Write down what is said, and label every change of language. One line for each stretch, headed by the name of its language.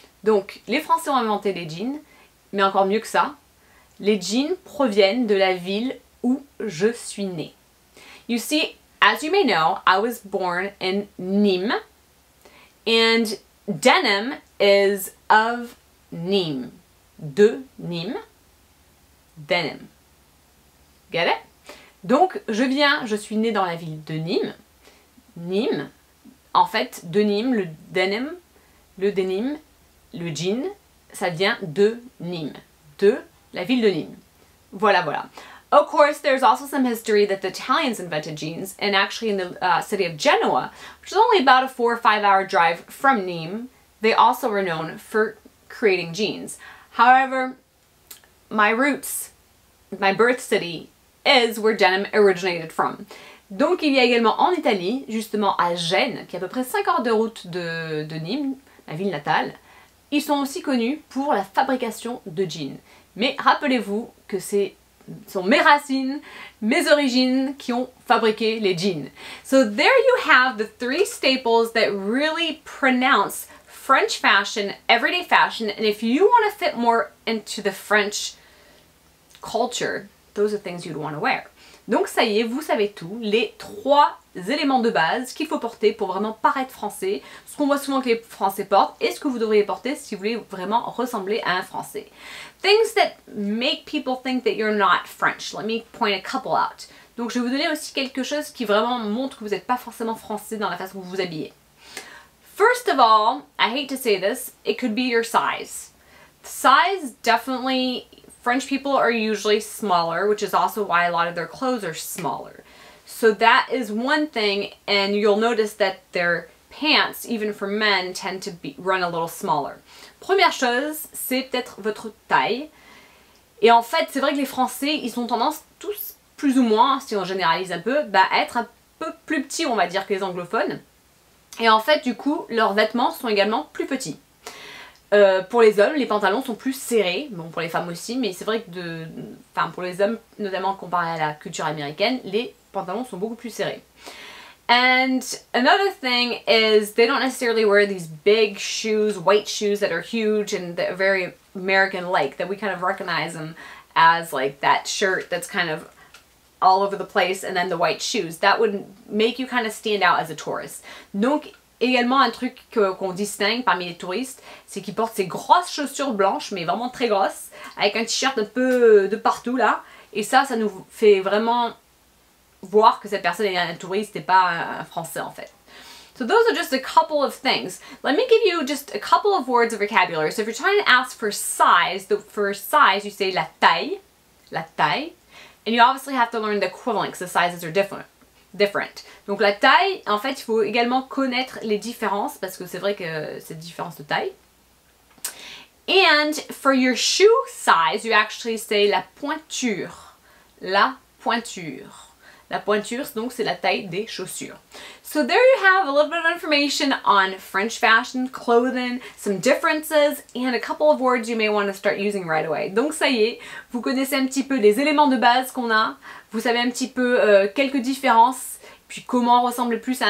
French: Donc les Français ont inventé les jeans, mais encore mieux que ça, les jeans proviennent de la ville où je suis née.
English: You see, as you may know, I was born in Nîmes, and denim is of Nîmes.
French: De Nîmes,
English: denim. Get it?
French: Donc, je suis née dans la ville de Nîmes. Nîmes, en fait, de Nîmes, le denim, le jean, ça vient de Nîmes. De la ville de Nîmes. Voilà, voilà.
English: Of course, there's also some history that the Italians invented jeans, and actually in the city of Genoa, which is only about a 4 or 5 hour drive from Nîmes, they also were known for creating jeans. However, my roots, my birth city, is where denim originated from.
French: Donc il y a également en Italie, justement à Gênes, qui est à peu près 5 heures de route de Nîmes, ma ville natale, ils sont aussi connus pour la fabrication de jeans. Mais rappelez-vous que c'est sont mes racines, mes origines qui ont fabriqué les jeans.
English: So there you have the three staples that really pronounce French fashion, everyday fashion, and if you want to fit more into the French culture, those are things you'd want to wear.
French: Donc ça y est, vous savez tout, les trois éléments de base qu'il faut porter pour vraiment paraître français, ce qu'on voit souvent que les Français portent, et ce que vous devriez porter si vous voulez vraiment ressembler à un Français.
English: Things that make people think that you're not French. Let me point a couple out.
French: Donc je vais vous donner aussi quelque chose qui vraiment montre que vous n'êtes pas forcément français dans la façon dont vous vous habillez.
English: First of all, I hate to say this, it could be your size. Size definitely... French people are usually smaller, which is also why a lot of their clothes are smaller. So that is one thing, and you'll notice that their pants, even for men, tend to be run a little smaller.
French: Première chose, c'est peut-être votre taille. Et en fait, c'est vrai que les Français, ils ont tendance tous, plus ou moins, si on généralise un peu, à être un peu plus petits, on va dire, que les anglophones. Et en fait, du coup, leurs vêtements sont également plus petits. Pour les hommes, les pantalons sont plus serrés, bon pour les femmes aussi, mais c'est vrai que pour les hommes, notamment comparé à la culture américaine, les pantalons sont beaucoup plus serrés.
English: And another thing is they don't necessarily wear these big shoes, white shoes that are huge and that are very American-like, that we kind of recognize them as like that shirt that's kind of all over the place and then the white shoes. That would make you kind of stand out as a tourist.
French: Donc, également, un truc qu'on distingue parmi les touristes, c'est qu'ils portent ces grosses chaussures blanches, mais vraiment très grosses, avec un t-shirt un peu de partout, là. Et ça, ça nous fait vraiment voir que cette personne est un touriste et pas un Français, en fait.
English: So those are just a couple of things. Let me give you just a couple of words of vocabulary. So if you're trying to ask for size, you say la taille, la taille. And you obviously have to learn the equivalent, because the sizes are different.
French: Donc la taille, en fait, il faut également connaître les différences, parce que c'est vrai que c'est une différence de taille.
English: And for your shoe size, you actually say la pointure.
French: La pointure. La pointure, donc, c'est la taille des chaussures.
English: So there you have a little bit of information on French fashion, clothing, some differences, and a couple of words you may want to start using right away.
French: Donc ça y est, vous connaissez un petit peu les éléments de base qu'on a, vous savez un petit peu quelques différences, puis comment on ressemble plus à un français entre guillemets, et puis quelques mots de vocabulaire qui vous sont utiles.